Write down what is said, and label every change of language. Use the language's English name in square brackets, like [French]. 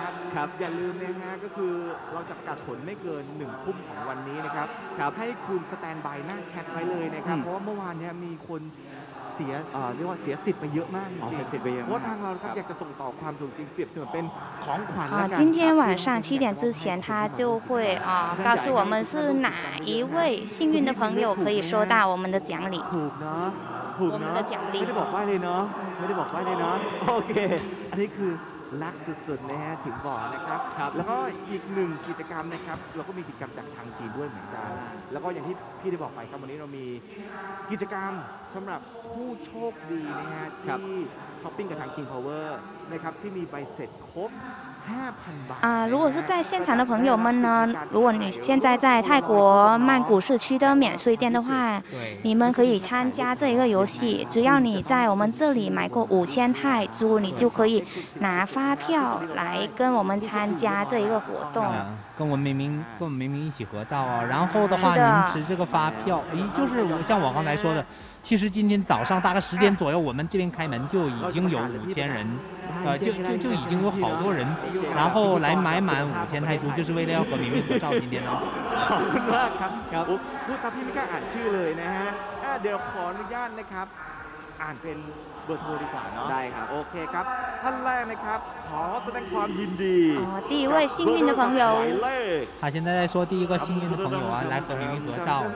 [Thai] ครับอย่าลืมนะฮะก็คือเราจะกัดผลไม่เกิน1ทุ่มของวันนี้นะครับ ครับ ให้คุณสแตนบายหน้าแชทไว้เลยนะครับเพราะว่าเมื่อวานเนี้ยมีคนเสียเรียกว่าเสียสิทธิ์ไปเยอะมากจริง สิทธิ์ไปเยอะ เพราะทางเราครับอยากจะส่งต่อความสุขจริงเปรียบเสมือนเป็นของขวัญแล้วกั [Chinese] น今天晚上7点之前他就会告诉我们是哪一位幸运的朋友可以收到我们的奖励 [Thai] ถูกนะถูกนะ ไม่ได้บอกไว้เลยเนาะไม่ได้บอกไว้เลยเนาะโอเคอันนี้คือรักสุดๆนะฮะถึงบอกนะครับ ครับ แล้วก็อีกหนึ่งกิจกรรมนะครับเราก็มีกิจกรรมจากทางจีนด้วยเหมือนกันแล้วก็อย่างที่พี่ได้บอกไปครับวันนี้เรามีกิจกรรมสำหรับผู้โชคดีนะฮะที่ช้อปปิ้งกับทางคิงพาวเวอร์นะครับที่มีใบเสร็จครบ5,000บาท [Chinese] 如果是在现场的朋友们呢如果你现在在泰国曼谷市区的免税店的话你们可以参加这一个游戏只要你在我们这里买过5000泰铢你就可以拿发票来跟我们参加这一个活动跟我们明明一起合照哦然后的话您持这个发票就是像我刚才说的其实今天早上大概10点左右我们这边开门就已经有5000人就已经有好多人然后来买满5000泰铢就是为了要和明明合照今天哦好好好好好好好好好好好好好好好好 [Thai] เบอร์โทรดีกว่าเนาะ ได้ครับ โอเคครับท่านแรกนะครับขอแสดงความยินดี ดีเว้ย [Chinese] 幸运的朋友他现在在说第一个幸运的朋友啊来和明明合照